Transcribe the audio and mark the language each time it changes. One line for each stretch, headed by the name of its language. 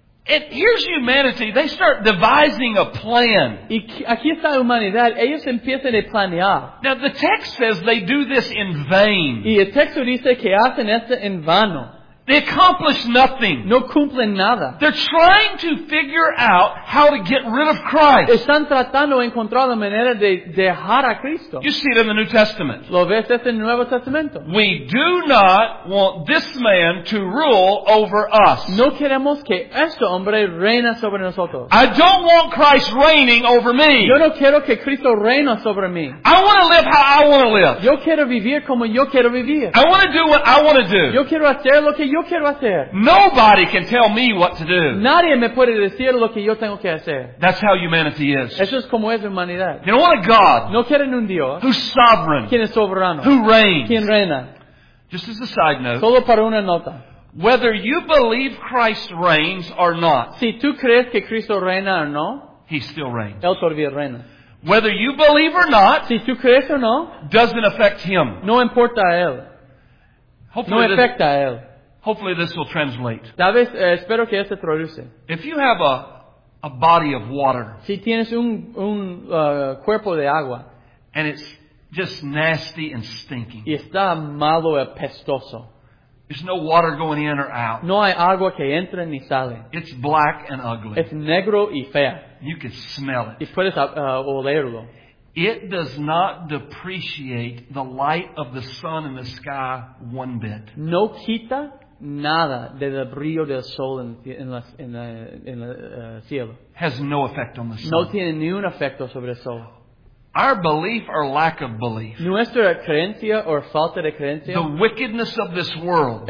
English: And here's humanity, they start devising a plan.
Spanish: Y aquí está humanidad, ellos empiezan a planear.
English: Now the text says they do this in vain.
Spanish: Y el texto dice que hacen esto en vano.
English: They accomplish nothing.
Spanish: No cumplen nada.
English: They're trying to figure out how to get rid of Christ.
Spanish: Están tratando de encontrar la manera de dejar a Cristo.
English: You see it in the New Testament.
Spanish: Lo ves en el Nuevo Testamento.
English: We do not want this man to rule over us.
Spanish: No queremos que este hombre reine sobre nosotros.
English: I don't want Christ reigning over me.
Spanish: Yo no quiero que Cristo reine sobre mí.
English: I want to live how I want to live.
Spanish: Yo quiero vivir como yo quiero vivir.
English: I want to do what I want to do.
Spanish: Yo quiero hacer lo que yo quiero hacer.
English: Nobody can tell me what to do.
Spanish: Nadie me puede decir lo que yo tengo que hacer.
English: That's how humanity is.
Spanish: Eso es como es humanidad.
English: They don't want a God.
Spanish: No quieren un Dios.
English: Who's sovereign?
Spanish: ¿Quién es soberano?
English: Who reigns?
Spanish: ¿Quién reina?
English: Just as a side note.
Spanish: Solo para una nota.
English: Whether you believe Christ reigns or not.
Spanish: Si tú crees que Cristo reina o no.
English: He still reigns.
Spanish: Él todavía reina.
English: Whether you believe or not.
Spanish: Si tú crees o no.
English: Doesn't affect him.
Spanish: No importa a él.
English: Hopefully
Spanish: no afecta a él.
English: Hopefully this will translate.
Spanish: Tal vez, espero que este traduce.
English: If you have a body of water,
Spanish: si tienes un cuerpo de agua,
English: and it's just nasty and stinking,
Spanish: y está malo y apestoso,
English: there's no water going in or out.
Spanish: No hay agua que entre ni sale.
English: It's black and ugly.
Spanish: Es negro y fea.
English: You can smell it.
Spanish: Y puedes olerlo.
English: It does not depreciate the light of the sun in the sky one bit.
Spanish: No quita nada del brillo del sol en el cielo.
English: Has no effect on the sun.
Spanish: No tiene ningún efecto sobre el sol.
English: Our belief or lack of belief.
Spanish: Nuestra creencia o falta de creencia.
English: The wickedness of this world.